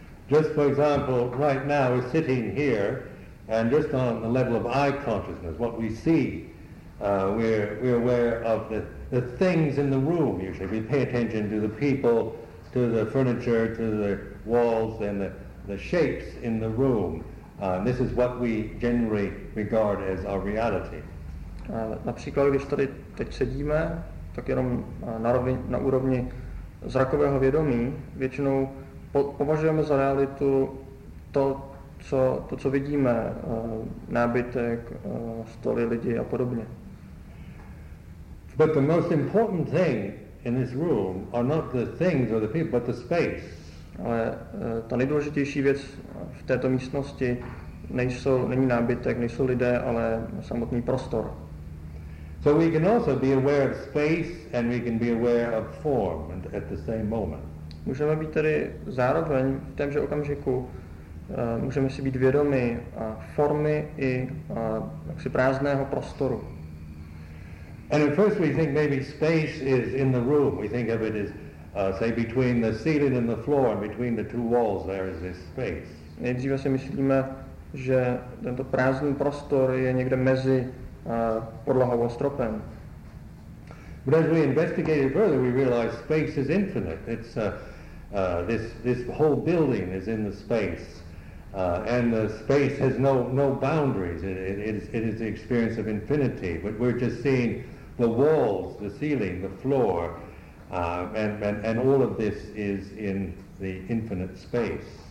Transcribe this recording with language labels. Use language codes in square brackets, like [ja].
[en] Just for example, right now we're sitting here, and just on the level of eye consciousness, what we see, we're aware of the things in the room. Usually we pay attention to the people, to the furniture, to the walls, and the shapes in the room. This is what we generally regard as our reality. [cs] Například, když tady teď sedíme, tak jenom na úrovni zrakového vědomí, většinou považujeme za realitu to, co vidíme, nábytek, stoly, lidi a podobně. [en] But the most important thing in this room are not the things or the people, but the space. [cs] Ale ta nejdůležitější věc v této místnosti není nábytek, nejsou lidé, ale samotný prostor. [en] So we can also be aware of space and we can be aware of form at the same moment. [cs] Můžeme být tedy zároveň v témže okamžiku, můžeme si být vědomi formy i jaksi prázdného prostoru. [en] And at first we think maybe space is in the room. We think of it as, say, between the ceiling and the floor, and between the two walls, there is this space. [cs] Nejdříve si myslíme, že tento prázdný prostor je někde mezi podlahou a stropem. [en] But as we investigate it further, we realize space is infinite. It's this whole building is in the space, and the space has no boundaries. It is the experience of infinity. But we're just seeing the walls, the ceiling, the floor, and all of this is in the infinite space.